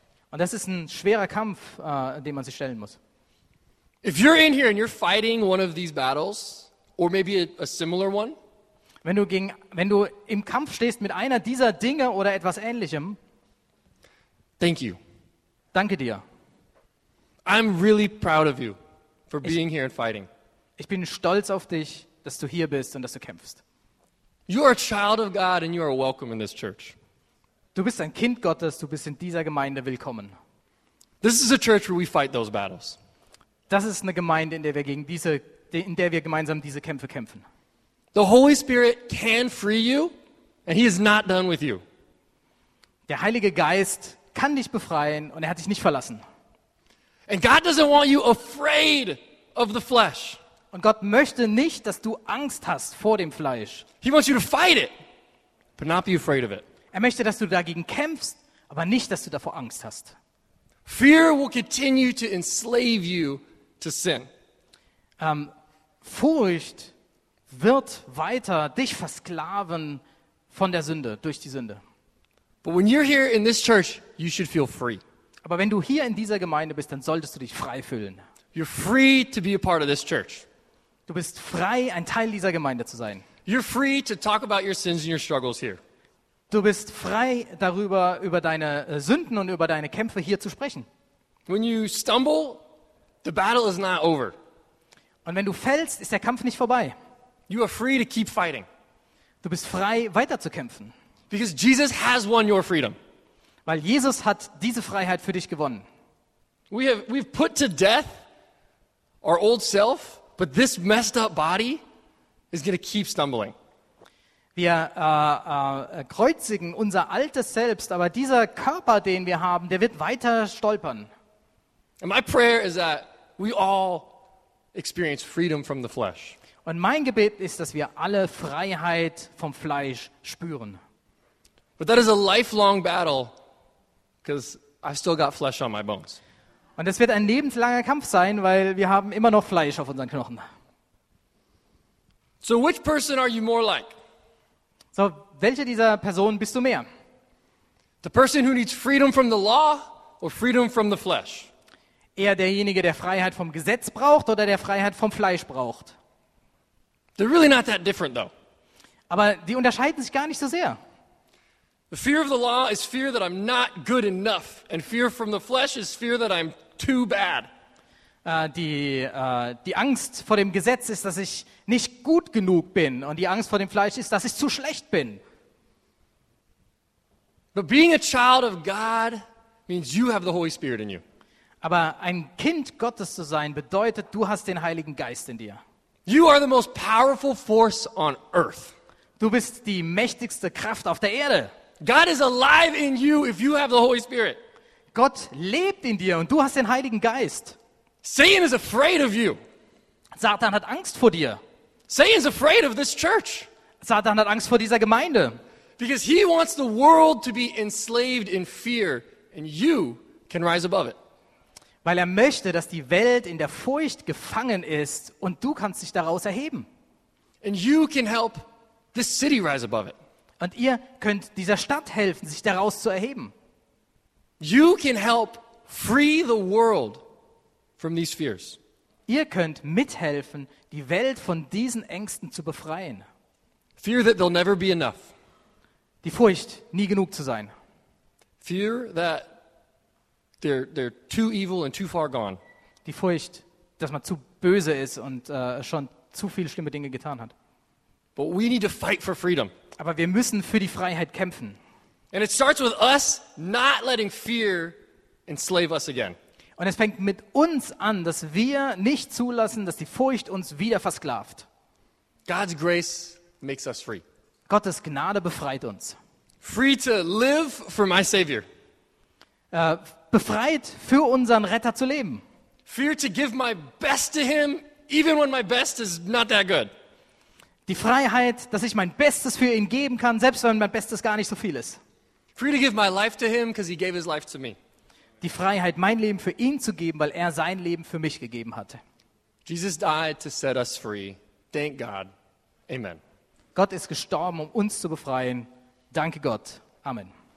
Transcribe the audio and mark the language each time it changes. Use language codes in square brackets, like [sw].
[de] Und das ist ein schwerer Kampf, den man sich stellen muss. [en] If you're in here and you're fighting one of these battles, or maybe a similar one, [de] wenn du im Kampf stehst mit einer dieser Dinge oder etwas Ähnlichem, [en] thank you. [de] Danke dir. [en] I'm really proud of you for being here and fighting. [de] Ich bin stolz auf dich, dass du hier bist und dass du kämpfst. [en] You are a child of God and you are welcome in this church. [de] Du bist ein Kind Gottes, du bist in dieser Gemeinde willkommen. [en] This is a church where we fight those battles. [de] Das ist eine Gemeinde, in der wir gemeinsam diese Kämpfe kämpfen. [en] The Holy Spirit can free you and he is not done with you. [de] Der Heilige Geist kann dich befreien und er hat dich nicht verlassen. [en] And God doesn't want you afraid of the flesh. [de] Und Gott möchte nicht, dass du Angst hast vor dem Fleisch. [en] He wants you to fight it, but not be afraid of it. [de] Er möchte, dass du dagegen kämpfst, aber nicht, dass du davor Angst hast. [en] Fear will continue to enslave you to sin. [de] Furcht wird weiter dich versklaven von der Sünde, durch die Sünde. [en] But when you're here in this church, you should feel free. [de] Aber wenn du hier in dieser Gemeinde bist, dann solltest du dich frei fühlen. [en] You're free to be a part of this church. [de] Du bist frei, ein Teil dieser Gemeinde zu sein. [en] You're free to talk about your sins and your struggles here. [de] Du bist frei darüber, über deine Sünden und über deine Kämpfe hier zu sprechen. [en] When you stumble, the battle is not over. [de] Und wenn du fällst, ist der Kampf nicht vorbei. [en] You are free to keep fighting. [de] Du bist frei, weiter zu kämpfen. [en] Because Jesus has won your freedom. [de] Weil Jesus hat diese Freiheit für dich gewonnen. [en] We've put to death our old self, but this messed up body is going to keep stumbling. [de] Wir kreuzigen unser altes Selbst, aber dieser Körper, den wir haben, der wird weiter stolpern. [en] And my prayer is that we all experience freedom from the flesh. [de] Und mein Gebet ist, dass wir alle Freiheit vom Fleisch spüren. [en] But that is a lifelong battle. Because I've still got flesh on my bones. [de] Und das wird ein lebenslanger Kampf sein, weil wir haben immer noch Fleisch auf unseren Knochen. [en] So which person are you more like? [de] So welche dieser Personen bist du mehr? [en] The person who needs freedom from the law or freedom from the flesh? [de] Eher derjenige, der Freiheit vom Gesetz braucht oder der Freiheit vom Fleisch braucht? [en] They're really not that different though. [de] Aber die unterscheiden sich gar nicht so sehr. [en] The fear of the law is fear that I'm not good enough, and fear from the flesh is fear that I'm too bad. [de] Die Angst vor dem Gesetz ist, dass ich nicht gut genug bin, und die Angst vor dem Fleisch ist, dass ich zu schlecht bin. [en] But being a child of God means you have the Holy Spirit in you. [de] Aber ein Kind Gottes zu sein bedeutet, du hast den Heiligen Geist in dir. [en] You are the most powerful force on earth. [de] Du bist die mächtigste Kraft auf der Erde. [en] God is alive in you if you have the Holy Spirit. [de] Gott lebt in dir und du hast den Heiligen Geist. [en] Satan is afraid of you. [de] Satan hat Angst vor dir. [en] Satan is afraid of this church. [de] Satan hat Angst vor dieser Gemeinde. [en] Because he wants the world to be enslaved in fear and you can rise above it. [de] Weil er möchte, dass die Welt in der Furcht gefangen ist und du kannst dich daraus erheben. [en] And you can help this city rise above it. [de] Und ihr könnt dieser Stadt helfen, sich daraus zu erheben. [en] You can help free the world from these fears. [de] Ihr könnt mithelfen, die Welt von diesen Ängsten zu befreien. [en] Fear that they'll never be enough. [de] Die Furcht, nie genug zu sein. [en] Fear that they're too evil and too far gone. [de] Die Furcht, dass man zu böse ist und schon zu viele schlimme Dinge getan hat. [en] But we need to fight for freedom. [de] Aber wir müssen für die Freiheit kämpfen. [en] And it starts with us not letting fear enslave us again. [de] Und es fängt mit uns an, dass wir nicht zulassen, dass die Furcht uns wieder versklavt. [en] God's grace makes us free. [de] Gottes Gnade befreit uns. [en] Free to live for my Savior. [de] Befreit für unseren Retter zu leben. [en] Fear to give my best to him, even when my best is not that good. [de] Die Freiheit, dass ich mein Bestes für ihn geben kann, selbst wenn mein Bestes gar nicht so viel ist. [en] Free to give my life to him, because he gave his life to me. [de] Die Freiheit, mein Leben für ihn zu geben, weil er sein Leben für mich gegeben hatte. [en] Jesus died to set us free. Thank God. Amen. [de] Gott ist gestorben, um uns zu befreien. Danke Gott. Amen.